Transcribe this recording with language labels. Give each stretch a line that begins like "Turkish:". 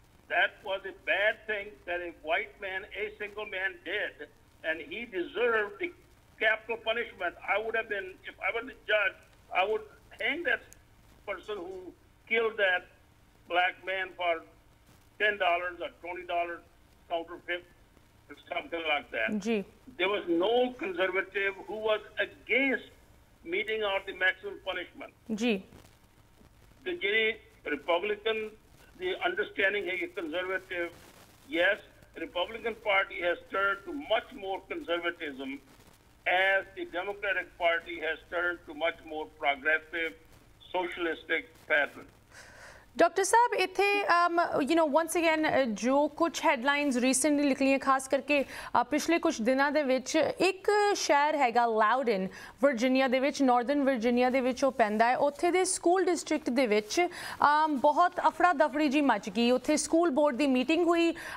English: That ਵਾਜ ਅ bed thing that a white man a single man did and he deserve the capital punishment I wood have been if I ਵਾਸ ਦ ਜੱਜ ਆਈ wood hang that person who killed that black man for $10 ਔਰ $20 ਕਾਊਂਟਰਫਿਟ Something like that. Ji. There was no conservative who was against meeting out the maximum punishment. Ji. The jiri Republican, the understanding hai conservative, yes, Republican Party has turned to much more conservatism as the Democratic Party has turned to much more progressive, socialistic pattern.
Punjabi: Doctor ਸਾਹਿਬ ਇੱਥੇ
English: you know once again
Punjabi: ਜੋ ਕੁਛ headlines recently ਲਿਖਲੀਆਂ ਖਾਸ ਕਰਕੇ ਪਿਛਲੇ ਕੁਛ ਦਿਨਾਂ ਦੇ ਵਿੱਚ ਇੱਕ ਸ਼ਹਿਰ ਹੈਗਾ ਲਾਉਡਨ ਵਰਜੀਨੀਆ ਦੇ ਵਿੱਚ ਨਾਰਦਰਨ ਵਰਜੀਨੀਆ ਦੇ ਵਿੱਚ ਉਹ ਪੈਂਦਾ ਹੈ ਉੱਥੇ ਦੇ ਸਕੂਲ ਡਿਸਟ੍ਰਿਕਟ ਦੇ ਵਿੱਚ ਬਹੁਤ ਅਫੜਾ ਦਫੜੀ ਜੀ ਮੱਚ ਗਈ ਉੱਥੇ ਸਕੂਲ ਬੋਰਡ ਦੀ ਮੀਟਿੰਗ ਹੋਈ